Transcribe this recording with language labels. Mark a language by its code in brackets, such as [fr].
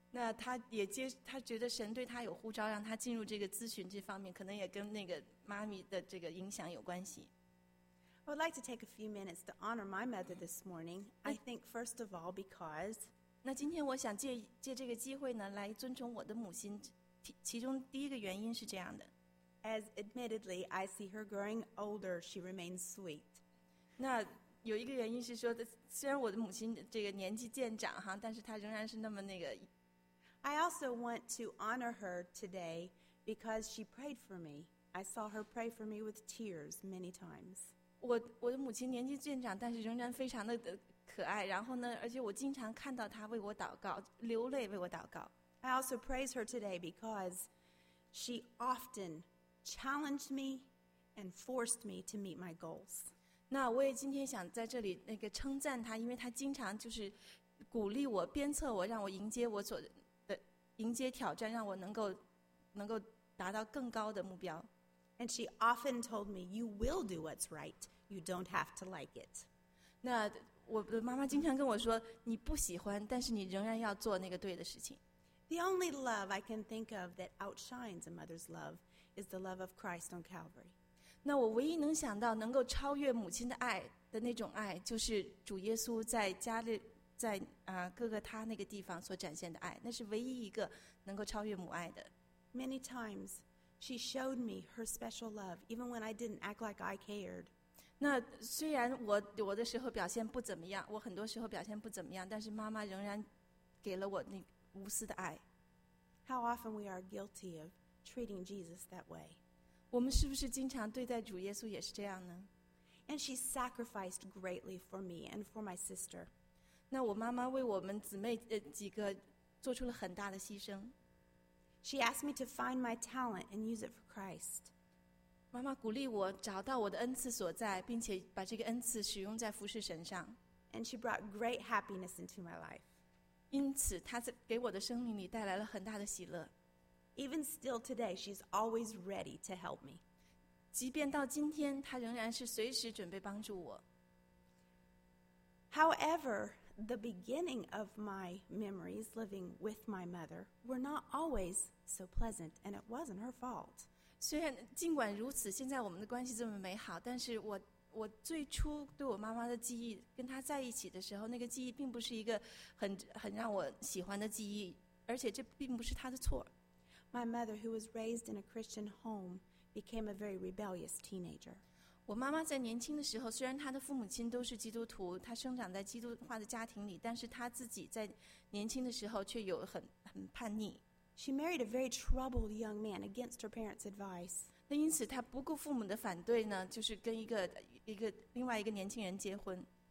[zh] 那她觉得神对她有呼召，让她进入这个咨询这方面，可能也跟那个。妈咪的这个影响有关系。 [en] I would like to take a few minutes to honor my mother this morning. I think first of all because [zh] 那今天我想借这个机会呢，来尊重我的母亲。其中第一个原因是这样的。 [en] As admittedly, I see her growing older. She remains sweet. [zh] 那有一个原因是说，虽然我的母亲这个年纪渐长哈，但是她仍然是那么那个。 [en] I also want to honor her today because she prayed for me. I saw her pray for me with tears many times. [zh] 我的母亲年纪渐长，但是仍然非常的可爱。然后呢，而且我经常看到她为我祷告，流泪为我祷告。 [en] I also praise her today because she often challenged me and forced me to meet my goals. [zh] 那我也今天想在这里那个称赞她，因为她经常就是鼓励我、鞭策我，让我迎接我所的迎接挑战，让我能够达到更高的目标。 [en] And she often told me, "You will do what's right. You don't have to like it." [zh] 那我的妈妈经常跟我说，你不喜欢，但是你仍然要做那个对的事情。 [en] The only love I can think of that outshines a mother's love is the love of Christ on Calvary. [zh] 那我唯一能想到能够超越母亲的爱的那种爱，就是主耶稣在加利在各个他那个地方所展现的爱，那是唯一一个能够超越母爱的。 [en] Many times she showed me her special love, even when I didn't act like I cared. [zh] 那虽然我的时候表现不怎么样，我很多时候表现不怎么样，但是妈妈仍然给了我那无私的爱。 [en] How often we are guilty of treating Jesus that way? [zh] 我们是不是经常对待主耶稣也是这样呢？ [en] And she sacrificed greatly for me and for my sister. [zh] 那我妈妈为我们姊妹几个做出了很大的牺牲。 [en] She asked me to find my talent and use it for Christ. [zh] 妈妈鼓励我找到我的恩赐所在，并且把这个恩赐使用在服侍神上。 [en] And she brought great happiness into my life. [zh] 因此，她给我的生命里带来了很大的喜乐。 [en] Even still today, she's always ready to help me. [zh] 即便到今天，她仍然是随时准备帮助我。 [en] However, the beginning of my memories living with my mother were not always so pleasant, and it wasn't her fault. [zh] 虽然尽管如此，现在我们的关系这么美好，但是我最初对我妈妈的记忆，跟她在一起的时候，那个记忆并不是一个很让我喜欢的记忆，而且这并不是她的错。 [en] My mother, who was raised in a Christian home, became a very rebellious teenager. [zh] 我妈妈在年轻的时候，虽然她的父母亲都是基督徒，她生长在基督化的家庭里，但是她自己在年轻的时候却有很叛逆。 [en] She married a very troubled young man against her parents' advice. [zh] 那因此她不顾父母的反对呢，就是跟一个另外一个年轻人结婚。